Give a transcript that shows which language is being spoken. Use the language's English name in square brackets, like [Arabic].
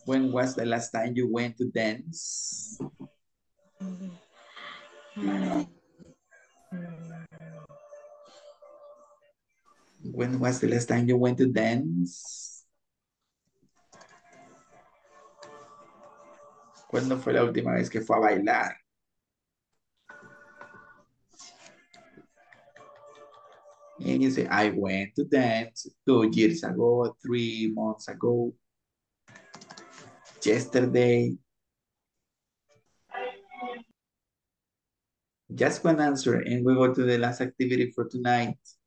[English] When was the last time you went to dance? When was the last time you went to dance? [Spanish] ¿Cuándo fue la última vez que fue a bailar? [English] And you say, I went to dance 2 years ago, 3 months ago, yesterday. Just one answer and we go to the last activity for tonight.